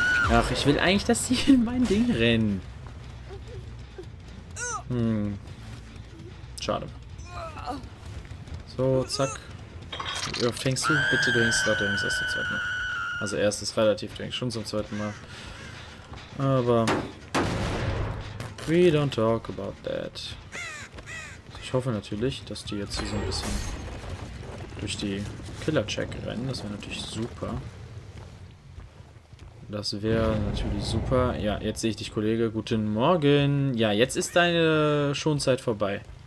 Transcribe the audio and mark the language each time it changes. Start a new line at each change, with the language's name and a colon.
German: Ach, ich will eigentlich, dass sie in mein Ding rennen. Schade. So, zack. Ja, fängst du? Bitte, du hängst da, du hängst erst das zweite Mal. Also erstes relativ, denke ich, schon zum zweiten Mal. Aber
English: we don't talk about that.
German: Ich hoffe natürlich, dass die jetzt hier so ein bisschen durch die Killer-Check rennen. Das wäre natürlich super. Das wäre natürlich super. Ja, jetzt sehe ich dich, Kollege. Guten Morgen. Ja, jetzt ist deine Schonzeit vorbei.